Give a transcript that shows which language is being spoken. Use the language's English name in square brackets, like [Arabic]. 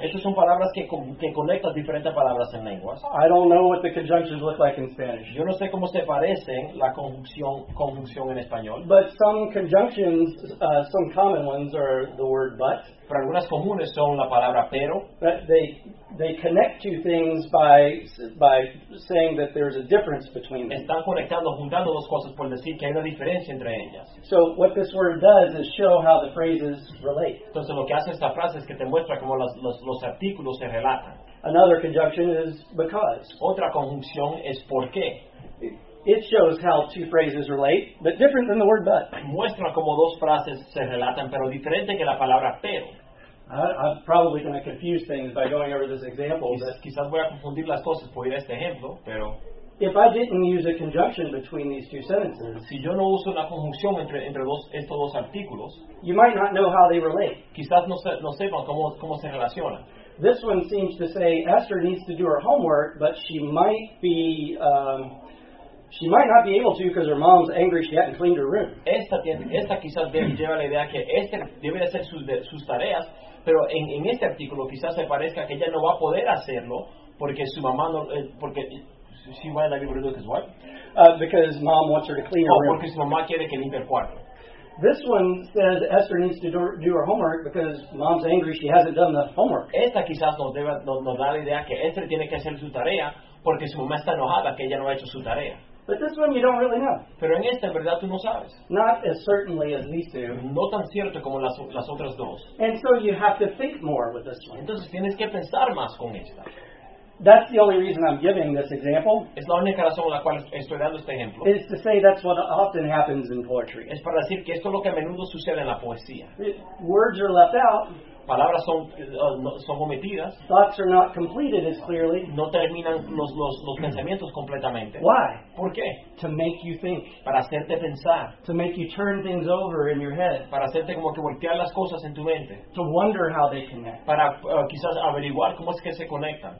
[Spanish] Estas son palabras que conectan diferentes palabras en lenguas. [English] I don't know what the conjunctions look like in Spanish. [Spanish] Yo no sé cómo se parecen la conjunción en español. [English] But some conjunctions, some common ones are the word but. [Spanish] Pero algunas comunes son la palabra pero. [English] But they connect two things by saying that there's a difference between them. [Spanish] Están conectando, juntando dos cosas por decir que hay una diferencia entre ellas. [English] So what this word does is show how the phrases relate. [Spanish] Entonces lo que hace esta frase es que te muestra cómo los artículos se relatan. [English] Another conjunction is because. [Spanish] Otra conjunción es por qué. [English] It shows how two phrases relate, but different than the word but. [Spanish] Muestra cómo dos frases se relatan, pero diferente que la palabra pero. [English] I'm probably going to confuse things by going over this example. [Spanish] Quizás voy a confundir las cosas por ir a este ejemplo, pero... [English] If I didn't use a conjunction between these two sentences, [Spanish] si yo no uso una conjunción entre estos dos artículos, [English] you might not know how they relate. [Spanish] Quizás no sepan cómo se relacionan. [English] This one seems to say Esther needs to do her homework, but she might not be able to because her mom's angry she hadn't cleaned her room. [Spanish] Esta quizás lleva la idea que Esther debe hacer sus tareas, pero en este artículo quizás se parezca que ella no va a poder hacerlo porque su mamá no porque [English] she might not be able to do it because what? Because mom wants her to clean her room. [Spanish] Porque su mamá quiere que limpie el cuarto. [English] This one says Esther needs to do her homework because mom's angry she hasn't done the homework. [Spanish] Esta quizás nos da la idea que Esther tiene que hacer su tarea porque su mamá está enojada que ella no ha hecho su tarea. [English] But this one you don't really know. [Spanish] Pero en esta, en verdad, tú no sabes. [English] Not as certainly as these two. [Spanish] No tan cierto como las otras dos. [English] And so you have to think more with this one. [Spanish] Entonces tienes que pensar más con esta. [English] That's the only reason I'm giving this example. [Spanish] Es la única razón por la cual estoy dando este ejemplo. [English] Is to say that's what often happens in poetry. [Spanish] Es para decir que esto es lo que a menudo sucede en la poesía. [English] Words are left out. [Spanish] Palabras son omitidas. [English] Thoughts are not completed as clearly. [Spanish] No terminan los pensamientos completamente. [English] Why? [Spanish] ¿Por qué? [English] To make you think. [Spanish] Para hacerte pensar. [English] To make you turn things over in your head. [Spanish] Para hacerte como que voltear las cosas en tu mente. [English] To wonder how they connect. [Spanish] Para quizás averiguar cómo es que se conectan.